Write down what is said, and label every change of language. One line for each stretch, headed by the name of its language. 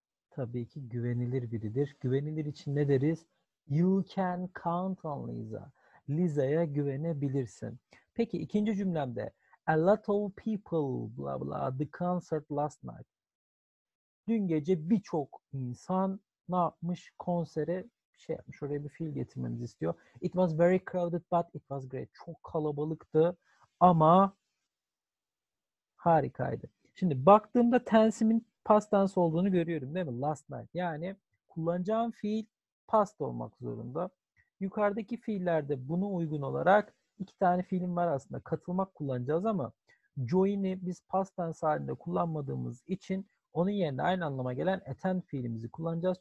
Turkish: Tabii ki güvenilir biridir. Güvenilir için ne deriz?
English: You can count on Liza.
Turkish: Liza'ya güvenebilirsin. Peki ikinci cümlemde
English: a lot of people blah blah the concert last night.
Turkish: Dün gece birçok insan ne yapmış konsere şey yapmış, oraya bir fiil getirmemizi istiyor.
English: It was very crowded but it was great.
Turkish: Çok kalabalıktı ama harikaydı. Şimdi baktığımda tense'imin past tense olduğunu görüyorum, değil mi?
English: Last night.
Turkish: Yani kullanacağım fiil past olmak zorunda. Yukarıdaki fiillerde buna uygun olarak İki tane fiilim var aslında. Katılmak kullanacağız ama join'i biz past tense halinde kullanmadığımız için onun yerine aynı anlama gelen attend fiilimizi kullanacağız.